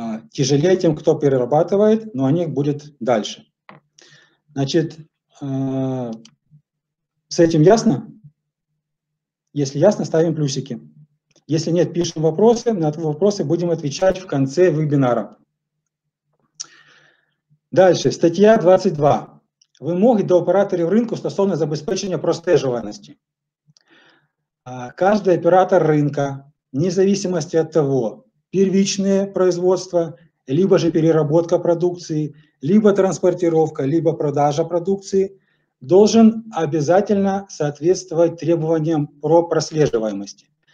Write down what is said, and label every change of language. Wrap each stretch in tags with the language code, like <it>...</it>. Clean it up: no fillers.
<ru>Тяжелее тем, кто перерабатывает, но о них будет дальше. Значит, с этим ясно? Если ясно, ставим плюсики. Если нет, пишем вопросы. На вопросы будем отвечать в конце вебинара. Дальше, статья 22.</ru> <uk>Вимоги до операторів ринку стосовно забезпечення простежуваності.</uk> <ru>Каждый оператор рынка, вне зависимости от того, первичное производство, либо же переработка продукции, либо транспортировка, либо продажа продукции, должен обязательно соответствовать требованиям про прослеживаемость.</ru>